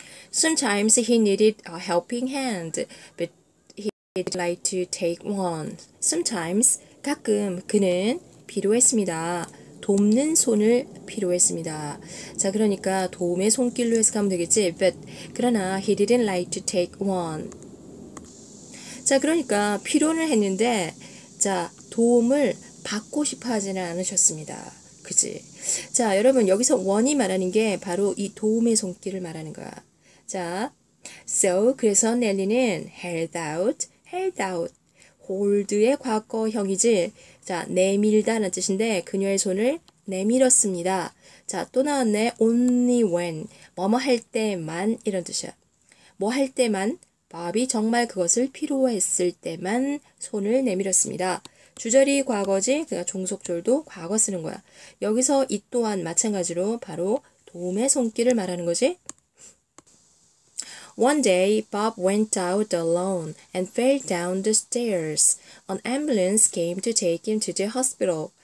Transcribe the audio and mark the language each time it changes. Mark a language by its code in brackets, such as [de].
[en] Sometimes he needed a helping hand, but he'd like to take one. [ko] Sometimes 가끔 그는 필요했습니다. 돕는 손을 필요했습니다. 자, 그러니까 도움의 손길로 해석하면 되겠지. [en] But 그러나 he didn't like to take one. [ko] 자, 그러니까 필요는 했는데, 자, 도움을 받고 싶어 하지는 않으셨습니다. 그지? 자, 여러분, 여기서 원이 말하는 게 바로 이 도움의 손길을 말하는 거야. 자, so 그래서 넬리는 held out. hold의 과거형이지. 자, 내밀다라는 뜻인데 그녀의 손을 내밀었습니다. 자, 또 나왔네. only when 뭐뭐 할 때만 이런 뜻이야. 뭐할 때만 밥이 정말 그것을 필요했을 때만 손을 내밀었습니다. 주절이 과거지. 그러니까 종속절도 과거 쓰는 거야. 여기서 이 또한 마찬가지로 바로 도움의 손길을 말하는 거지. [en] One day, Bob went out alone and fell down the stairs. An ambulance came to take him to the hospital.